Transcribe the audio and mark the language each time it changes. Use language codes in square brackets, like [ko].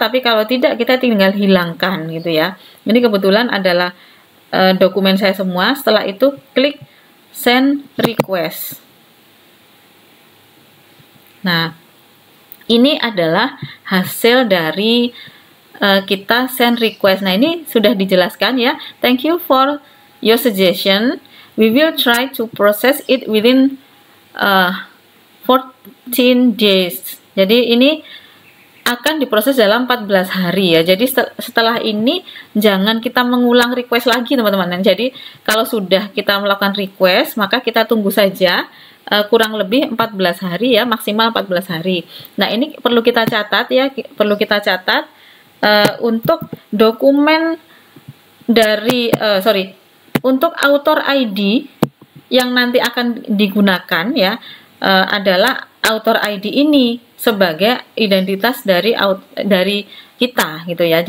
[id] Tapi kalau tidak, kita tinggal hilangkan gitu ya. Ini kebetulan adalah dokumen saya semua. Setelah itu klik send request. Nah, ini adalah hasil dari kita send request. Nah, ini sudah dijelaskan ya. [en] Thank you for your suggestion. We will try to process it within 14 days. [id] Jadi ini akan diproses dalam 14 hari ya. Jadi setelah ini jangan kita mengulang request lagi, teman-teman. Jadi kalau sudah kita melakukan request, maka kita tunggu saja kurang lebih 14 hari ya, maksimal 14 hari. Nah, ini perlu kita catat ya, perlu kita catat untuk dokumen dari untuk author ID yang nanti akan digunakan ya, adalah author ID ini sebagai identitas dari kita gitu ya.